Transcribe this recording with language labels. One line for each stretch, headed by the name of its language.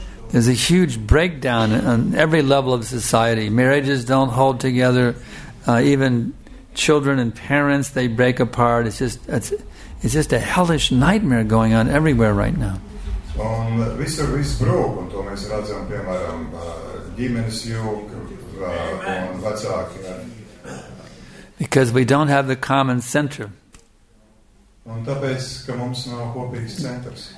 English: There's a huge breakdown on every level of society. Marriages don't hold together. Even children and parents, they break apart. It's just a hellish nightmare going on everywhere right now.
Latvian: Un visur viss brūk, un to mēs redzam, piemēram, ģimenes jūk un vecāki.
English: Because we don't have the common center.
Latvian: Un tāpēc, ka mums nav kopīgs centrs.